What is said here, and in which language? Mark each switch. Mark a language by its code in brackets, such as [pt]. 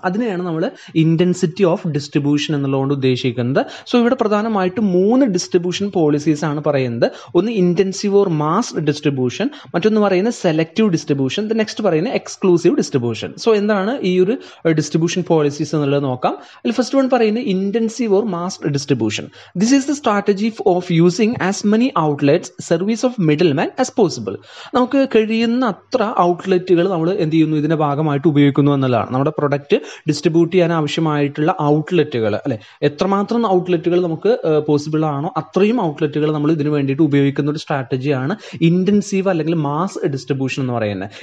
[ml] അതിനെയാണ് നമ്മൾ intensity of distribution എന്നുള്ളതുകൊണ്ട് ഉദ്ദേശിക്കുന്നത്. സോ ഇവിടെ പ്രധാനമായിട്ട് മൂന്ന് ഡിസ്ട്രിബ്യൂഷൻ പോളിസീസ് ആണ് പറയുന്നത്. ഒന്ന് ഇന്റൻസീവ് ഓർ മാസ് ഡിസ്ട്രിബ്യൂഷൻ, മറ്റൊന്ന് പറയുന്നത് സെലക്റ്റീവ് ഡിസ്ട്രിബ്യൂഷൻ, നെക്സ്റ്റ് പറയുന്നത് എക്സ്ക്ലൂസീവ് ഡിസ്ട്രിബ്യൂഷൻ. സോ എന്താണ് ഈ ഒരു ഡിസ്ട്രിബ്യൂഷൻ പോളിസീസ് എന്നുള്ളത് നോക്കാം. ഫസ്റ്റ് വൺ പറയുന്നത് intense [en] aggressive or mass distribution. This is the strategy of using as many outlets, service of middleman as possible. [ml] നമുക്ക് കഴിയുന്ന അത്ര ഔട്ട്ലെറ്റുകൾ നമ്മൾ എന്ത് ചെയ്യുന്നു, ഇതിന്റെ ഭാഗമായിട്ട് ഉപയോഗിക്കുന്നു എന്നുള്ളതാണ്. നമ്മുടെ പ്രൊഡക്റ്റ് ഡിസ്ട്രിബ്യൂട്ട് ചെയ്യാൻ ആവശ്യമായിട്ടുള്ള ഔട്ട്ലെറ്റുകൾ, അല്ലെ, എത്രമാത്രം ഔട്ട്ലെറ്റുകൾ നമുക്ക് പോസിബിൾ ആണോ അത്രയും ഔട്ട്ലെറ്റുകൾ നമ്മൾ ഇതിനു വേണ്ടിയിട്ട് ഉപയോഗിക്കുന്ന ഒരു സ്ട്രാറ്റജിയാണ് ഇന്റൻസീവ് അല്ലെങ്കിൽ മാസ് ഡിസ്ട്രിബ്യൂഷൻ എന്ന് പറയുന്നത്.